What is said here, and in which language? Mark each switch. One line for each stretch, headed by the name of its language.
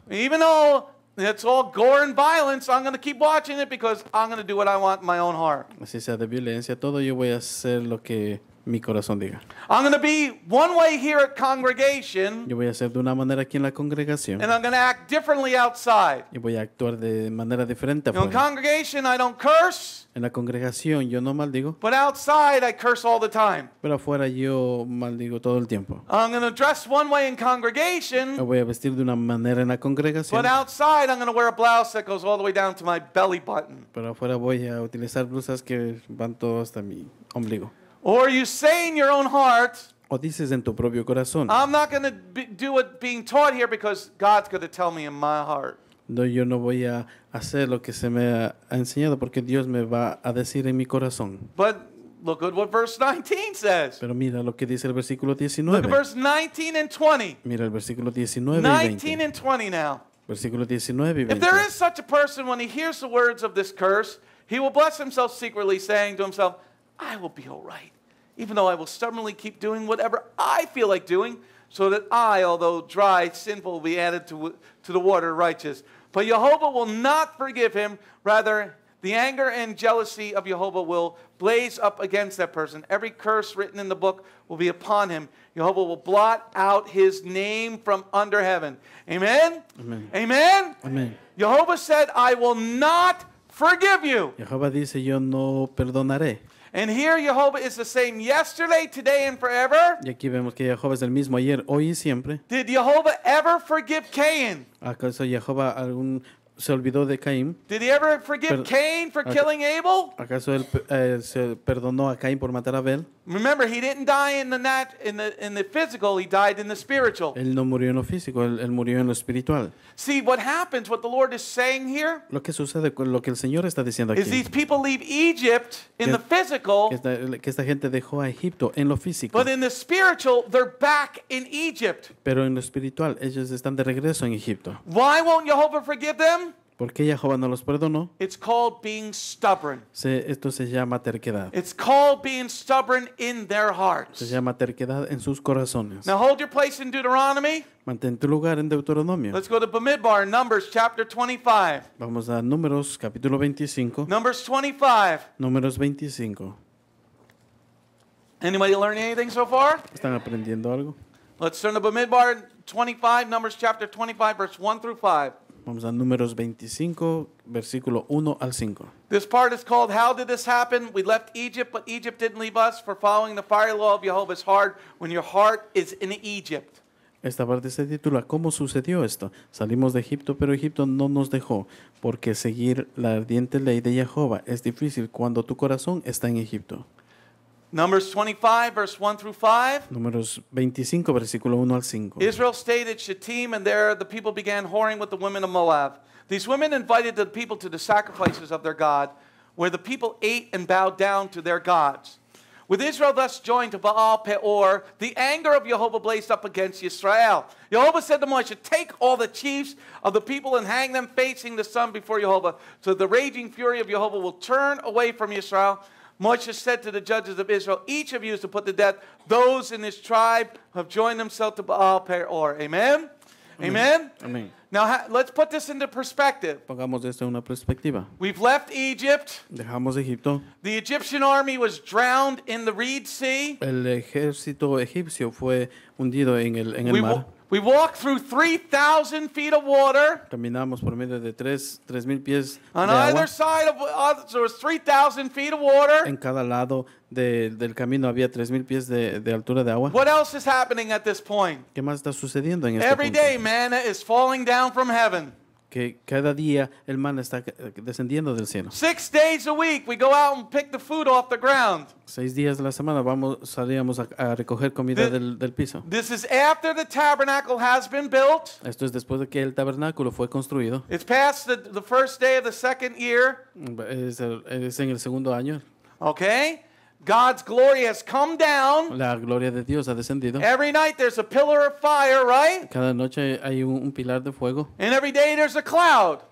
English: Even though it's all gore and violence, I'm going to keep watching it because I'm going to do what I want in my own heart.
Spanish: Así sea de violencia, todo yo voy a hacer lo que mi corazón diga.
English: I'm going to be one way here at congregation.
Spanish: Yo voy a ser de una manera aquí en la congregación.
English: And I'm going to act differently outside.
Spanish: Y voy a actuar de manera diferente afuera.
English: In congregation, I don't curse.
Spanish: En la congregación, yo no maldigo.
English: But outside, I curse all the time.
Spanish: Pero afuera, yo maldigo todo el tiempo.
English: I'm going to dress one way in congregation.
Spanish: Me voy a vestir de una manera en la congregación.
English: But outside, I'm going to wear a blouse that goes all the way down to my belly button.
Spanish: Pero afuera, voy a utilizar blusas que van todo hasta mi ombligo.
English: Or are you say in your own heart,
Spanish: o dices en tu propio corazón,
English: I'm not going to do what being taught here because God's going to tell me in my heart.
Spanish: No, yo no voy a hacer lo que se me ha enseñado porque Dios me va a decir en mi corazón.
English: But look at what verse 19 says.
Spanish: Pero mira lo que dice el versículo 19.
English: Look at verse 19 and 20.
Spanish: Mira el versículo 19 y 20.
English: 19 and 20 now.
Spanish: Versículo 19 y 20.
English: If there is such a person when he hears the words of this curse, he will bless himself secretly saying to himself, I will be all right, even though I will stubbornly keep doing whatever I feel like doing, so that I, although dry, sinful, will be added to the water righteous. But Jehovah will not forgive him. Rather, the anger and jealousy of Jehovah will blaze up against that person. Every curse written in the book will be upon him. Jehovah will blot out his name from under heaven. Amen? Amen. Amen? Amen. Jehovah said, I will not forgive you.
Spanish: Jehovah dice, yo no perdonaré.
English: And here Jehovah is the same yesterday, today, and forever.
Spanish: Y aquí vemos que Jehovah es el mismo ayer, hoy y siempre.
English: Did Jehovah ever forgive Cain?
Spanish: ¿Acaso Jehovah algún se olvidó de Caín?
English: Did he ever forgive Cain for killing Abel?
Spanish: ¿Acaso él se perdonó a Caín por matar a Abel?
English: Remember, he didn't die in the physical. He died in the spiritual.
Spanish: Él no murió en lo físico. Él murió en lo espiritual.
English: See what happens. What the Lord is saying here.
Spanish: Lo que sucede, lo que el Señor está diciendo aquí.
English: Is these people leave Egypt in the physical.
Spanish: Que esta gente dejó a Egipto en lo físico.
English: But in the spiritual, they're back in Egypt.
Spanish: Pero en lo espiritual, ellos están de regreso en Egipto.
English: Why won't Jehovah forgive them?
Spanish: ¿Por qué Yahweh no los perdonó?
English: It's called being stubborn.
Spanish: Esto se llama terquedad.
English: It's called being stubborn in their hearts.
Spanish: Se llama terquedad en sus corazones.
English: Now hold your place in Deuteronomy.
Spanish: Mantén tu lugar en Deuteronomio.
English: Let's go to Bamidbar, Numbers chapter 25.
Spanish: Vamos a Números capítulo 25.
English: Numbers 25.
Spanish: Números 25.
English: Anybody learning anything so far?
Spanish: ¿Están aprendiendo algo?
English: Let's turn to Bamidbar 25, Numbers chapter 25, verse 1 through 5.
Spanish: Vamos a Números 25, versículo 1 al 5.
English: This part is called, how did this happen? We left Egypt, but Egypt didn't leave us, for following the fiery law of Jehovah is hard when your heart is in Egypt.
Spanish: Esta parte se titula, ¿cómo sucedió esto? Salimos de Egipto, pero Egipto no nos dejó, porque seguir la ardiente ley de Jehovah es difícil cuando tu corazón está en Egipto.
English: Numbers 25, verse 1 through 5.
Spanish: Números 25, versículo 1 al 5.
English: Israel stayed at Shittim, and there the people began whoring with the women of Moab. These women invited the people to the sacrifices of their God, where the people ate and bowed down to their gods. With Israel thus joined to Baal Peor, the anger of Jehovah blazed up against Israel. Jehovah said to Moshe, take all the chiefs of the people and hang them facing the sun before Jehovah, so the raging fury of Jehovah will turn away from Israel. Moshe said to the judges of Israel, each of you is to put to death those in his tribe who have joined themselves to Baal Peor. Amen? Amen? Amen. Now, let's put this into perspective.
Spanish: Pongamos esto en una perspectiva.
English: We've left Egypt.
Spanish: Dejamos Egipto.
English: The Egyptian army was drowned in the Reed Sea.
Spanish: El ejército egipcio fue hundido en el mar.
English: We walked through 3,000 feet of water.
Spanish: Caminamos por medio de 3,000 pies de agua.
English: On either side of us, there was 3,000 feet of water.
Spanish: En cada lado del camino había 3,000 pies de altura de agua.
English: What else is happening at this point?
Spanish: ¿Qué más está sucediendo en este punto?
English: Every day, manna is falling down from heaven.
Spanish: Que cada día el maná está descendiendo del cielo.
English: 6 days a week, we go out and pick the food off the ground.
Spanish: 6 días de la semana salíamos a recoger comida del piso.
English: This is after the tabernacle has been built.
Spanish: Esto es después de que el tabernáculo fue construido.
English: It's past the first day of the second year.
Spanish: Es en el segundo año.
English: Okay. God's glory has come down.
Spanish: La gloria de Dios ha descendido.
English: Every night there's a pillar of fire, right?
Spanish: Cada noche hay un pilar de fuego.
English: And every day there's a cloud.